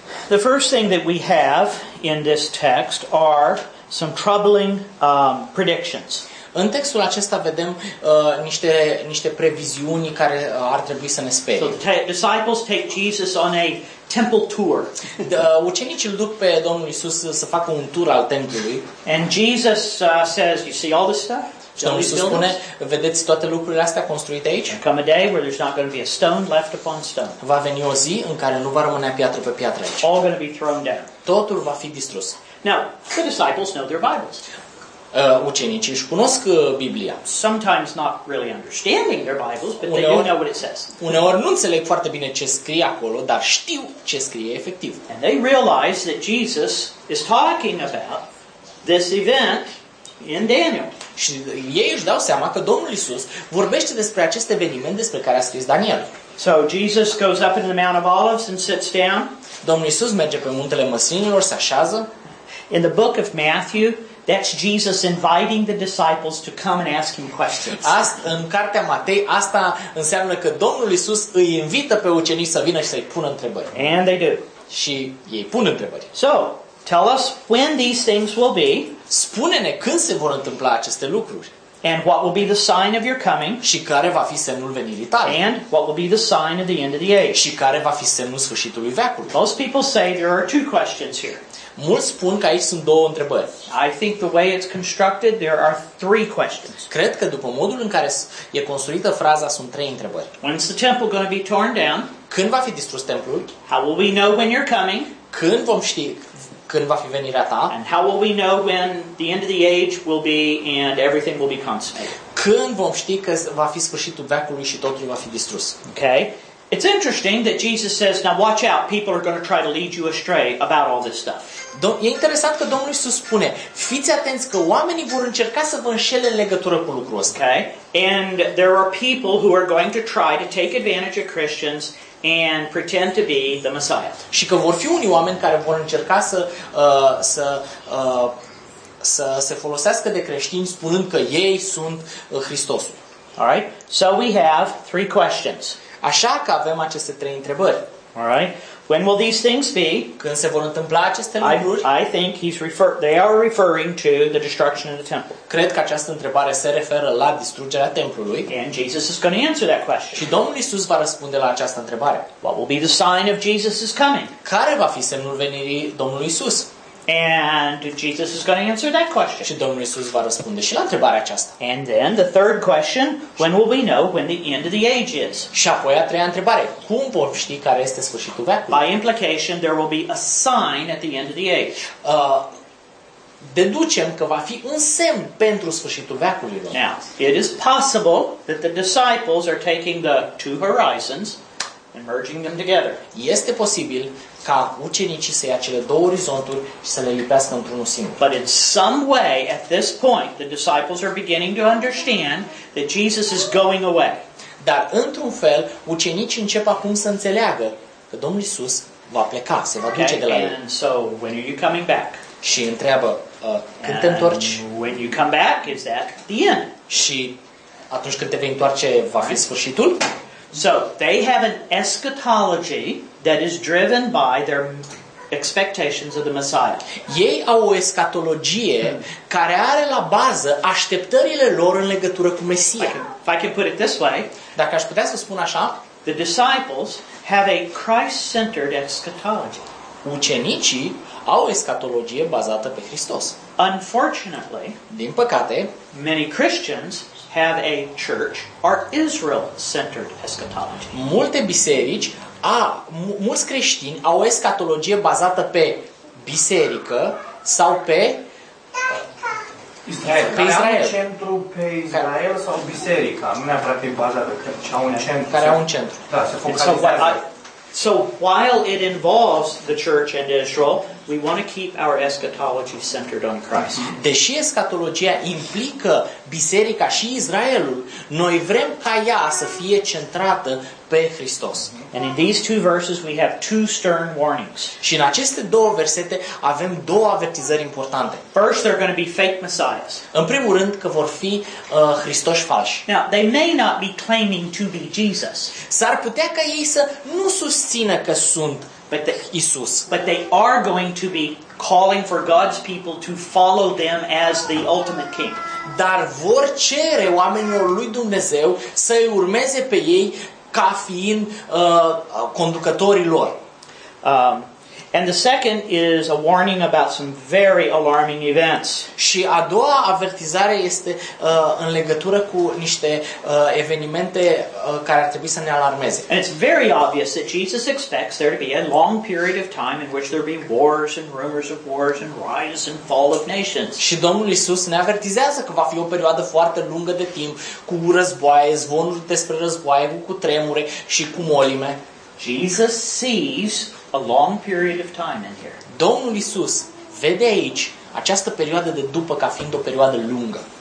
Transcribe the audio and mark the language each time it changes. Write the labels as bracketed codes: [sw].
[en] The first thing that we have in this text are some troubling predictions. [ro] În textul acesta vedem niște previziuni care ar trebui să ne sperie. [en] So the disciples take Jesus on a temple tour. [ro] Ucenicii îl duc pe Domnul Iisus să facă un tur al templului. [en] And Jesus says, you see all this stuff? [ro] Domnul Iisus spune, vedeți toate lucrurile astea construite aici? [en] Come a day where there's not going to be a stone left upon stone. [ro] Va veni o zi în care nu va rămâne piatră pe piatră aici. [en] All going to be thrown down. [ro] Totul va fi distrus. [en] Now, the disciples know their Bibles. [ro] Ucenicii își cunosc Biblia. [en] Sometimes not really understanding their Bibles, but uneori, they do know what it says. [ro] Uneori nu înțeleg foarte bine ce scrie acolo, dar știu ce scrie efectiv. [en] And they realize that Jesus is talking about this event in Daniel. [ro] Și ei își dau seama că Domnul Iisus vorbește despre acest eveniment despre care a scris Daniel. [en] So Jesus goes up into the Mount of Olives and sits down. [ro] Domnul Iisus merge pe muntele măslinilor, se așează. [en] In the book of Matthew, that's Jesus inviting the disciples to come and ask him questions. [ro] Asta în cartea Matei, asta înseamnă că Domnul Iisus îi invită pe ucenici să vină și să-i pună întrebări. [en] And they do. [ro] Și ei pun întrebări. [en] So, tell us when these things will be. [ro] Spune-ne când se vor întâmpla aceste lucruri. [en] And what will be the sign of your coming? [ro] Și care va fi semnul venirii tale? [en] And what will be the sign of the end of the age? [ro] Și care va fi semnul sfârșitului veacului? [en] Most people say there are two questions here. [ro] Mulți spun că aici sunt două întrebări. [en] I think the way it's constructed, there are three questions. [ro] Cred că după modul în care e construită fraza, sunt trei întrebări. [en] When's the temple going to be torn down? [ro] Când va fi distrus templul? [en] How will we know when you're coming? [ro] Când vom ști când va fi venirea ta? [en] And how will we know when the end of the age will be and everything will be consumed? [ro] Când vom ști că va fi sfârșitul veacului și totul va fi distrus? [en] Okay. It's interesting that Jesus says, now watch out, people are going to try to lead you astray about all this stuff. [ro] E interesant că Domnul Iisus spune, fiți atenți că oamenii vor încerca să vă înșele în legătură cu lucrul ăsta. [en] Okay? And there are people who are going to try to take advantage of Christians and pretend to be the Messiah. [ro] Și că vor fi unii oameni care vor încerca să se folosească de creștini spunând că ei sunt Hristosul. [en] All right? So we have three questions. [ro] Așa că avem aceste trei întrebări. [en] All right. When will these things be? [ro] Când se vor întâmpla aceste lucruri? [en] I think they are referring to the destruction of the temple. [ro] Cred că această întrebare se referă la distrugerea templului. [en] And Jesus is going to answer that question. [ro] Și Domnul Iisus va răspunde la această întrebare. [en] What will be the sign of Jesus's coming? [ro] Care va fi semnul venirii Domnului Iisus? [en] And Jesus is going to answer that question. [ro] Și Domnul Iisus va răspunde și la întrebarea aceasta. [en] And then the third question, when will we know when the end of the age is? [ro] Și apoi a treia întrebare, cum vom ști care este sfârșitul veacului? [en] By implication, there will be a sign at the end of the age. [ro] Deducem că va fi un semn pentru sfârșitul veacului. [en] Now, it is possible that the disciples are taking the two horizons and merging them together. [ro] Este posibil ca ucenicii să ia cele două orizonturi și să le lipească într-unul singur. [en] But in some way, at this point, the disciples are beginning to understand that Jesus is going away. [ro] Dar într-un fel, ucenicii încep acum să înțeleagă că Domnul Iisus va pleca, se va duce de la ei. [en] And so, when are you coming back? [ro] Și întreabă, când te întorci? [en] When you come back, is that the end? [ro] Și atunci când te vei întoarce, va fi sfârșitul? [en] So, they have an eschatology that is driven by their expectations of the Messiah. [ro] Ei au o eschatologie care are la bază așteptările lor în legătură cu Mesia. [en] If I can put it this way, [ro] dacă aș putea să spun așa, [en] the disciples have a Christ-centered eschatology. [ro] Ucenicii au o eschatologie bazată pe Hristos. [en] Unfortunately, [ro] din păcate, [en] many Christians have a church or Israel-centered eschatology. [ro] Multe biserici, mulți creștini au o eschatologie bazată pe biserică sau pe Israel. Pe Israel. Care au un centru pe Israel sau biserica. Nu neapărat e bazată, ci au un centru. Care au un centru. Da, se focalizează. [en] So while it involves the church and Israel, we want to keep our eschatology centered on Christ. [ro] Deși eschatologia implică biserica și Israelul, noi vrem ca ea să fie centrată pe Hristos. [en] And in these two verses we have two stern warnings. [ro] Și în aceste două versete avem două avertizări importante. [en] First, there are going to be fake messiahs. [ro] În primul rând că vor fi Hristoși falși. [en] Now, they may not be claiming to be Jesus. [ro] S-ar putea ca ei să nu susțină că sunt Iisus. [en] But they are going to be calling for God's people to follow them as the ultimate king. [ro] Dar vor cere oamenilor lui Dumnezeu să-i urmeze pe ei ca fiind conducătorii lor. [en] And the second is a warning about some very alarming events. [ro] Și a doua avertizare este în legătură cu niște evenimente care ar trebui să ne alarmeze. [en] And it's very obvious that Jesus expects there to be a long period of time in which there be wars and rumors of wars and rise and fall of nations. [ro] Și Domnul Iisus ne avertizează că va fi o perioadă foarte lungă de timp cu războaie, zvonuri despre războaie, cu tremure și cu molime. [en] Jesus sees a long period of time in here. [ro] Domnul Iisus vede aici această perioadă de după ca fiind o perioadă lungă.